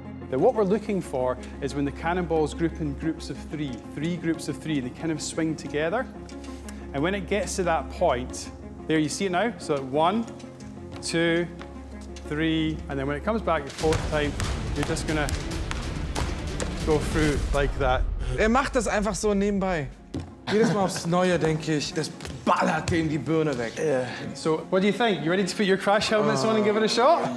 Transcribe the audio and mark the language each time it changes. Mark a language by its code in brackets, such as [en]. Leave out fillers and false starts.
[en] Now, what we're looking for is when the cannonballs group in groups of three, three groups of three, they kind of swing together. And when it gets to that point, there, you see it now? So one, two, three, and then when it comes back the fourth time, you're just gonna go through like that. [de] Er macht das einfach so nebenbei. Jedes Mal aufs Neue denke ich, das ballert dem die Birne weg. [en] So, what do you think? You ready to put your crash helmets on and give it a shot?